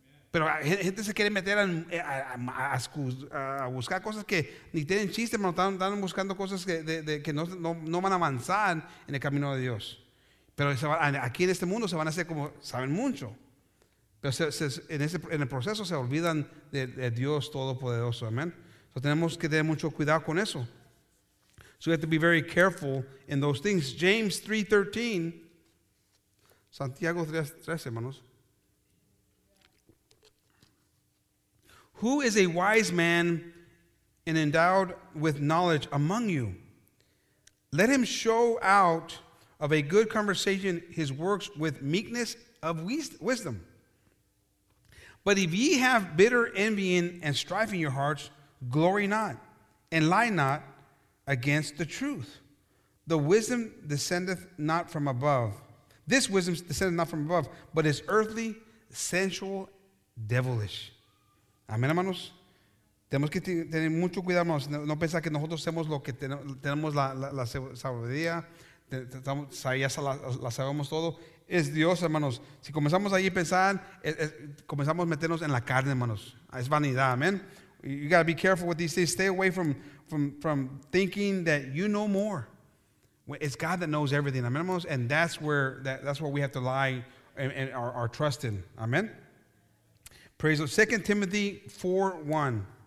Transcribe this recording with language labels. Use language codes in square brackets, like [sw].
[es] Pero gente se quiere meter a buscar cosas que ni tienen chiste, pero están buscando cosas que no van a avanzar en el camino de Dios. Pero aquí en este mundo se van a hacer como saben mucho. Pero en el proceso se olvidan de Dios Todopoderoso. Amén. So tenemos que tener mucho cuidado con eso. [en] So we have to be very careful in those things. James 3:13. [es] Santiago 3:13, hermanos. [en] Who is a wise man and endowed with knowledge among you? Let him show out of a good conversation his works with meekness of wisdom. But if ye have bitter envy and strife in your hearts, glory not and lie not against the truth. The wisdom descendeth not from above. This wisdom descendeth not from above, but is earthly, sensual, devilish. [es] Amén, hermanos. Tenemos que tener mucho cuidado, hermanos. No pensar que nosotros somos lo que tenemos la sabiduría. Ya la sabemos todo. Es Dios, hermanos. Si comenzamos ahí a pensar, comenzamos a meternos en la carne, hermanos. Es vanidad, amén. [en] You got to be careful with these things. Stay away from thinking that you know more. It's God that knows everything, [es] amén, hermanos. [en] And that's where we have to lie and our trust in. Amén. Praise the Lord. 2 Timothy 4:1.